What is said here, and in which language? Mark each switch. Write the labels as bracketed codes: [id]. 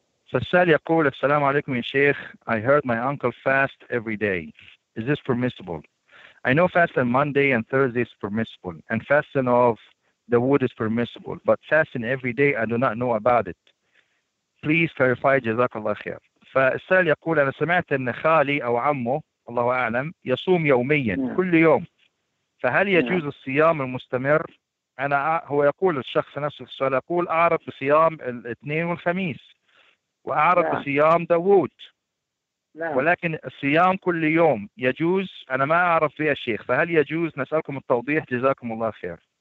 [ar] فسال يقول السلام عليكم يا شيخ. [en] I heard my uncle fast every day. Is this permissible? I know fasting Monday and Thursday is permissible, and fasting of the wood is permissible, but fasting every day I do not know about it. Please clarify. [ar] جزاك الله خير. فسال يقول أنا سمعت إن خالي أو عمه الله أعلم يصوم يوميا كل يوم. فهل يجوز الصيام المستمر؟ أنا هو يقول الشخص نفسه في السؤال يقول أعرف بصيام الاثنين والخميس وأعرف بصيام داوود ولكن الصيام كل يوم يجوز؟ أنا ما أعرف فيه الشيخ، فهل يجوز؟ نسألكم التوضيح جزاكم الله خير.